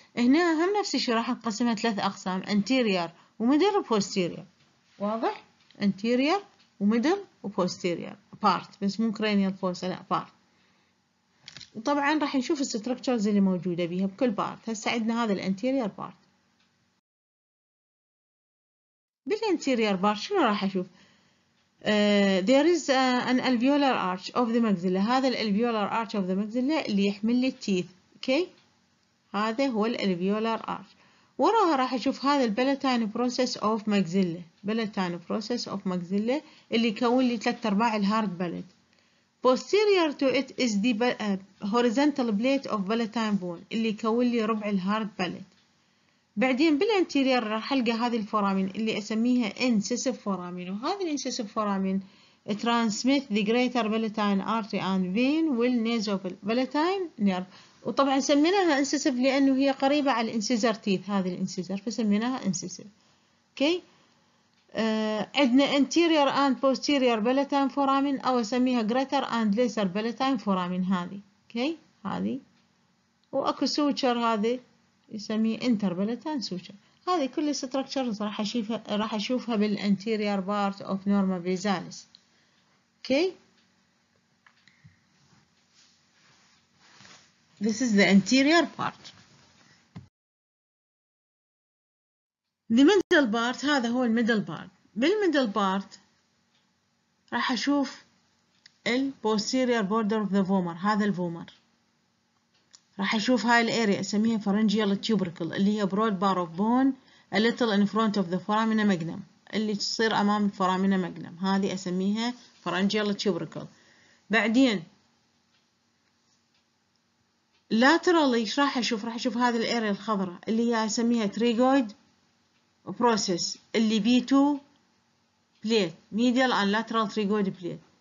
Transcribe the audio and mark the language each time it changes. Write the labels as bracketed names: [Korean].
[Arabic] هنا هم نفس الشيء راح نقسمها ثلاث أقسام، أنتيريور وميدل وبوستيريور. واضح؟ anterior وميدل وبوستيريور بارت، بس مو كرينيال فوسا، لا بارت. وطبعا راح نشوف الستركتشرز اللي موجوده بيها بكل بارت. هسه عندنا هذا الانتيريور بارت. بالانتيريور بارت شنو راح اشوف؟ [English] there is an alveolar arch of the maxilla. [Arabic] هذا الالفيولار arch of the maxilla اللي يحمل لي التيث. اوكي، هذا هو الالفيولار arch. وراها راح اشوف هذا البلاتاين بروسيس اوف ماكزيلا، بلاتاين بروسيس اوف ماكزيلا اللي يكون لي ثلاث ارباع الهارد بلت. [English] posterior to it is the horizontal plate of palatine bone [Arabic] اللي يكون لي ربع الهارد بلت. بعدين بالانتيريور راح القى هذه الفورامين اللي اسميها انسيسيف فورامين، وهذه الانسيسيف فورامين ترانسميت ذا جريتر بلاتاين ارتي اند فين والنيزو بلاتاين نيرف. وطبعا سميناها انسيسيف لانه هي قريبه على الانسيزر تيث، هذه الانسيزر فسميناها انسيسيف. اوكي، عندنا انتيرير اند بوستيرير بلاتاين فورامين او اسميها جريتر اند ليسر بلاتاين فورامين، هذه اوكي هذه. واكو سوتشر هذه يسميه انتر بلاتاين سوتشر. هذه كل الستركتشر راح اشوفها بالانتيرير بارت اوف نورما بيزاليس. [English] Okay, this is the anterior part. The middle part [Arabic] هذا هو [English] middle part. بالmiddle part [Arabic] راح أشوف [English] the posterior border of the vomer. [Arabic] هذا الفومر. راح أشوف هاي الأريا أسميها pharyngeal tubercle اللي هي [English] broad bar of bone a little in front of the foramina magnum [Arabic] اللي تصير أمام الفورامينا magnum. هذه أسميها pharyngeal tubercle. بعدين لاترالي ايش راح اشوف؟ راح اشوف هذه الاريا الخضراء اللي هي اسميها تريجويد بروسيس اللي بي 2 بليت، ميديال ان لاترال تريجويد بليت.